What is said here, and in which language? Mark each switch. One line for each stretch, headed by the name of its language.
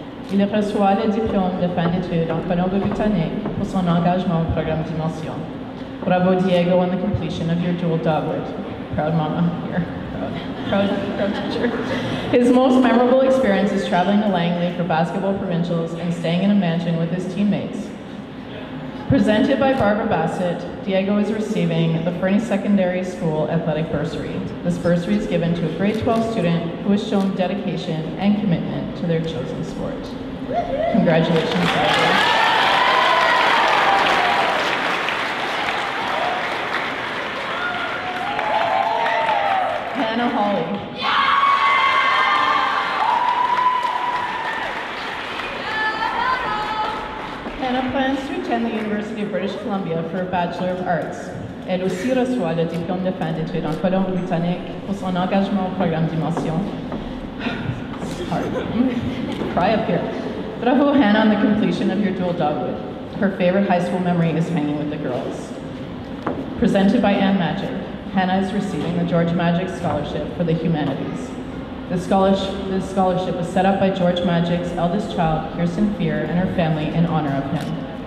French: Il reçoit le diplôme de fin d'études en Colombie-Britannique pour son engagement au programme Dimension.
English: Bravo, Diego, on the completion of your dual doublet. Proud mama here. Proud teacher. His most memorable experience is traveling to Langley for basketball provincials and staying in a mansion with his teammates. Presented by Barbara Bassett, Diego is receiving the Fernie Secondary School Athletic Bursary. This bursary is given to a grade 12 student who has shown dedication and commitment to their chosen sport. Congratulations, Diego. Jacob Hannah Hawley. The University of British Columbia for a Bachelor of Arts.
French: Elle aussi reçoit le diplôme de fin d'études en Colombie-Britannique pour son engagement au programme Dimension.
English: Cry up here. Bravo, Hannah, on the completion of your dual dogwood. Her favorite high school memory is hanging with the girls. Presented by Ann Magic, Hannah is receiving the George Magic Scholarship for the Humanities. This scholarship was set up by George Magic's eldest child, Kirsten Fear, and her family in honor of him.